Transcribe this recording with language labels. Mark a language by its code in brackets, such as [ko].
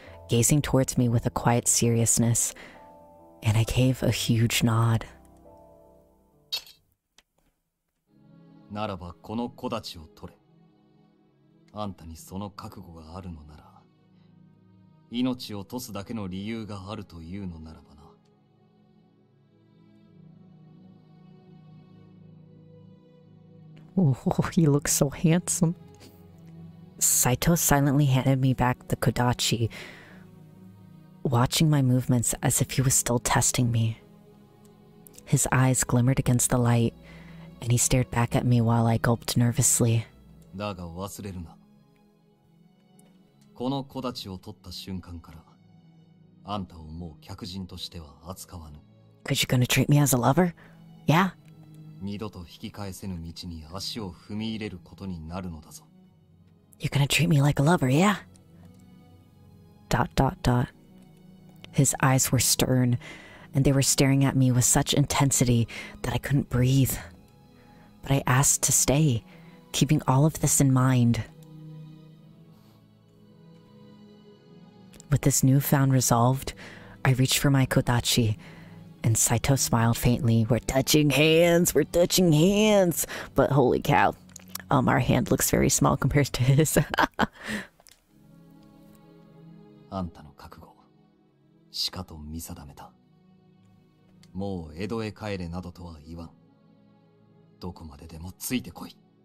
[en] gazing towards me with a quiet seriousness, and I gave a huge nod. [ja] ならばこの子たちを取れ。あんたにその覚悟があるのなら、命を落とすだけの理由があるというのならばな。 [en] Oh, he looks so handsome. Saito silently handed me back the kodachi, watching my movements as if he was still testing me. His eyes glimmered against the light, and he stared back at me while I gulped nervously. [ja] だが忘れるな。この kodachi を取った瞬間から、あんたをもう客人としては扱わぬ。 [en] Cause you're gonna treat me as a lover? Yeah? [ja] 二度と引き返せぬ道に足を踏み入れることになるのだぞ。 [en] You're gonna treat me like a lover, yeah? ... His eyes were stern, and they were staring at me with such intensity that I couldn't breathe. But I asked to stay, keeping all of this in mind. With this newfound resolve, I reached for my kodachi. And Saito smiled faintly. We're touching hands. But holy cow. Our hand looks very small compared to his. [ja] あんたの覚悟、しかと見定めた。もう江戸へ帰れなどとは言わん。どこまででもついてこい。